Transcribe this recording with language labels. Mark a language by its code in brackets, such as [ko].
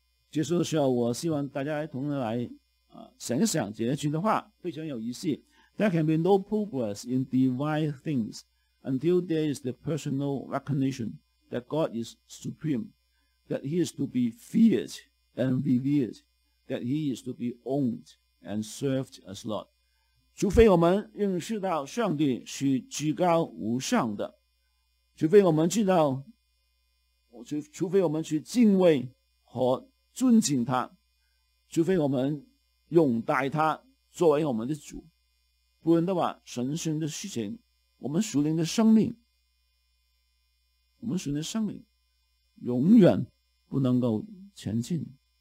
[zh] 结束的时候，我希望大家同时来想一想这句的话，非常有意思。 [en] There can be no progress in divine things until there is the personal recognition that God is supreme, that he is to be feared and revered, that he is to be owned and served as Lord. [zh] 除非我们认识到上帝是至高无上的，除非我们知道，除非我们去敬畏和尊敬他，除非我们拥戴他作为我们的主，不然的话，神圣的事情，我们属灵的生命永远不能够前进。